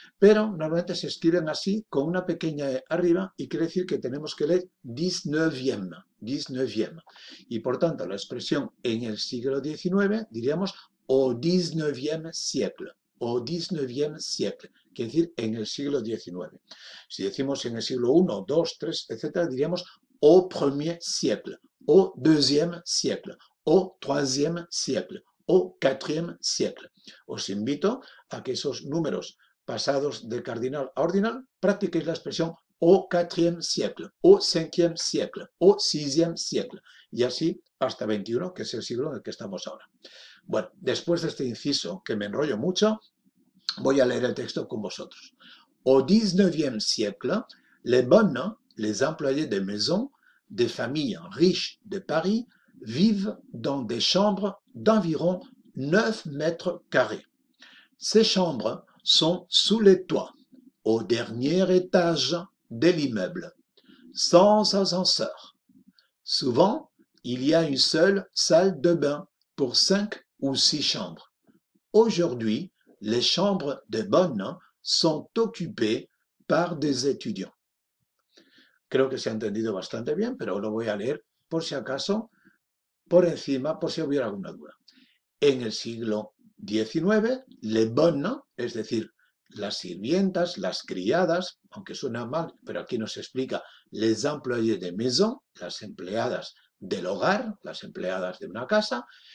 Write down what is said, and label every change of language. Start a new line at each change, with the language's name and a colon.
Spanish: Pero normalmente se escriben así, con una pequeña E arriba, y quiere decir que tenemos que leer 19e, 19e. Y por tanto, la expresión en el siglo XIX, diríamos,
French: au 19e siècle, au 19e siècle,
Spanish: quiere decir en el siglo XIX. Si decimos en el siglo 1, 2, 3, etc., diríamos
French: au premier siècle, au deuxième siècle, au troisième siècle, au quatrième siècle.
Spanish: Os invito a que esos números pasados de cardinal a ordinal practiquéis la expresión
French: au quatrième siècle, au cinquième siècle, au sixième siècle,
Spanish: y así hasta 21, que es el siglo en el que estamos ahora. Bueno, después de este inciso que me enrollo mucho, voy a leer el texto con vosotros.
French: Au 19e siècle, les bonnes, les employés de maison, de familles riches de Paris, vivent dans des chambres d'environ 9 mètres carrés. Ces chambres sont sous les toits, au dernier étage de l'immeuble, sans ascenseur. Souvent, il y a une seule salle de bain pour 5 ou 6 chambres. Aujourd'hui, les chambres des bonnes sont occupées par des étudiants.
Spanish: Creo que se ha entendido bastante bien, pero lo voy a leer por si acaso, por encima, por si hubiera alguna duda. En el siglo XIX,
French: les bonnes,
Spanish: es decir, las sirvientas, las criadas, aunque suena mal, pero aquí nos explica
French: les employés de maison,
Spanish: las empleadas del hogar, las empleadas de una casa.